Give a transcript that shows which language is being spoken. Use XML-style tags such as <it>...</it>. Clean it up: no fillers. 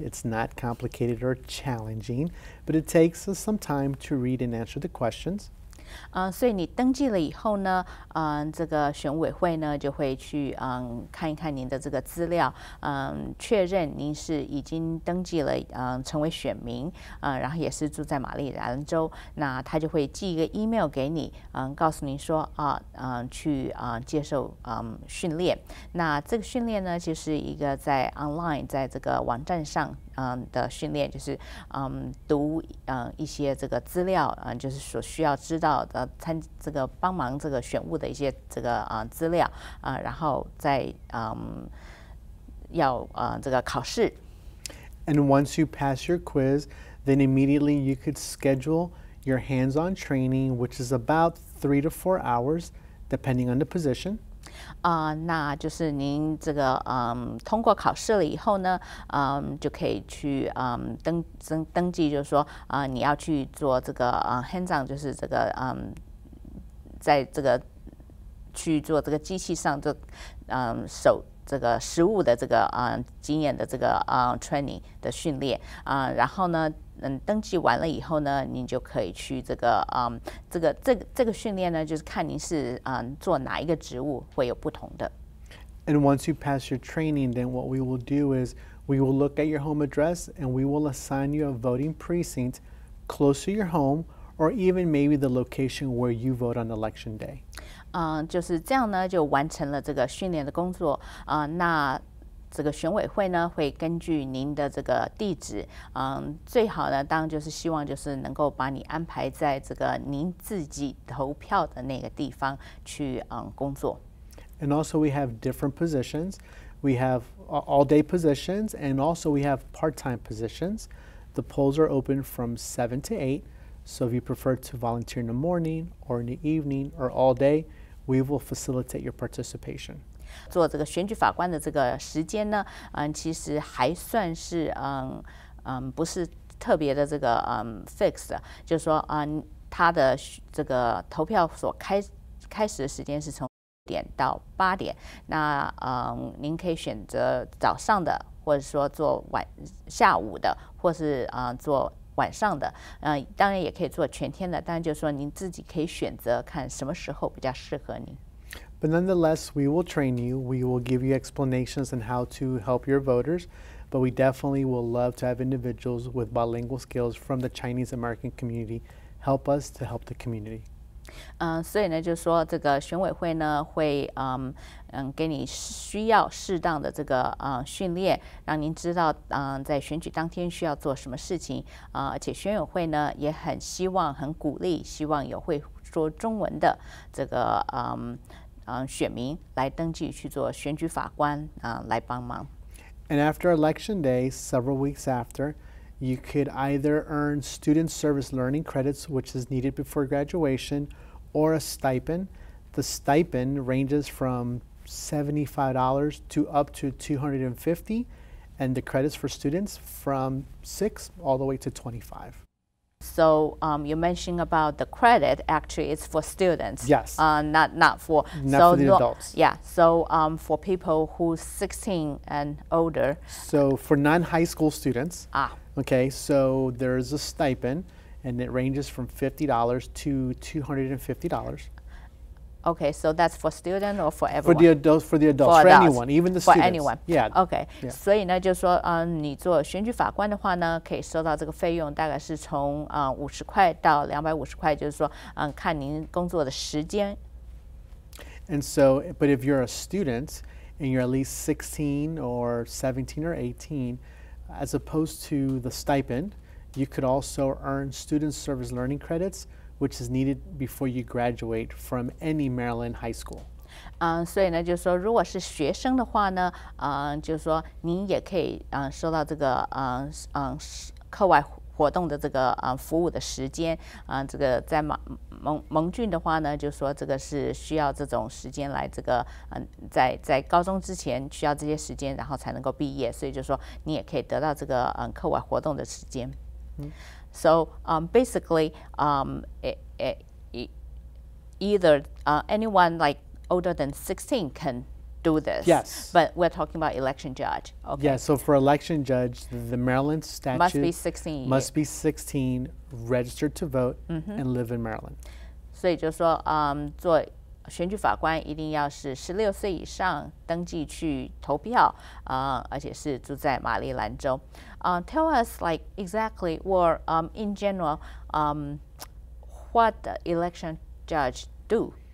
<en>It's not complicated or challenging, but it takes us some time to read and answer the questions.</en> <zh>所以你登记了以后呢这个选委会呢就会去看一看您的这个资料确认您是已经登记了成为选民然后也是住在马里兰州那他就会寄一个 email 给你告诉您说去接受训练那这个训练呢就是一个在 online 在这个网站上的训练就是读一些这个资料就是所需要知道的参这个帮忙这个选务的一些这个资料然后再要这个考试。</zh> <en>And once you pass your quiz, then immediately you could schedule your hands-on training, which is about 3 to 4 hours, depending on the position.</en> <zh>那就是您这个通过考试了以后呢就可以去登记就是说你要去做这个hands on就是这个在这个去做这个机器上做手这个实务的这个经验的这个training 的训练然后呢登记完了以后呢您就可以去这个这个训练呢就是看您是做哪一个职务会有不同的。</zh> <en>And once you pass your training, then what we will do is we will look at your home address and we will assign you a voting precinct close to your home or even maybe the location where you vote on election day.</en> <zh>就是这样呢就完成了这个训练的工作那这个选委会呢会根据您的这个地址，最好呢当然就是希望就是能够把你安排在这个您自己投票的那个地方去工作。</zh> <en>And also we have different positions. We have all day positions and also we have part-time positions. The polls are open from 7 to 8. So if you prefer to volunteer in the morning or in the evening or all day, we will facilitate your participation.</en> <zh>做这个选举法官的这个时间呢，其实还算是不是特别的这个fix 的，就是说他的这个投票所开始的时间是从点到八点，那您可以选择早上的，或者说做下午的，或是做晚上的，当然也可以做全天的，但就是说您自己可以选择看什么时候比较适合您。</zh> <en>But nonetheless, we will train you. We will give you explanations on how to help your voters. But we definitely will love to have individuals with bilingual skills from the Chinese American community help us to help the community.</en> <zh>所以呢，就是说这个选委会呢会给你需要适当的这个训练，让您知道在选举当天需要做什么事情而且选委会呢也很希望、很鼓励，希望有会说中文的这个选民来登记去做选举法官来帮忙。</zh> <en>And after election day, several weeks after, you could either earn student service learning credits, which is needed before graduation, or a stipend. The stipend ranges from $75 to up to $250, and the credits for students from 6 all the way to 25. So you mentioned about the credit, actually it's for students. Yes. Not for the adults. Yeah, so for people who's 16 and older. So for non-high school students. Ah. Okay, so there's a stipend and it ranges from $50 to $250. Okay, so that's for student or for everyone? For the adults, for anyone, even the students. For anyone. Yeah. Okay, yeah.</en> <zh>所以呢就是说你做选举法官的话呢可以收到这个费用大概是从50块到250块就是说看您工作的时间。</zh> <en>And so, but if you're a student and you're at least 16 or 17 or 18, as opposed to the stipend, you could also earn student service learning credits,which is needed before you graduate from any Maryland high school.</en> <zh>所以呢就是说如果是学生的话呢就是说您也可以收到这个课外活动的这个服务的时间这个在蒙郡的话呢就是说这个是需要这种时间来这个在高中之前需要这些时间然后才能够毕业所以就是说你也可以得到这个课外活动的时间。</zh> <en>嗯So basically, anyone like older than 16 can do this. Yes. But we're talking about election judge. Okay. Yeah, so for election judge, the Maryland statute must be 16, registered to vote, mm-hmm. and live in Maryland.</en> <zh>所以就说做选举法官一定要是16岁以上登记去投票而且是住在马里兰州。</zh> <en>Tell us like exactly what in general what the election judge do.</en>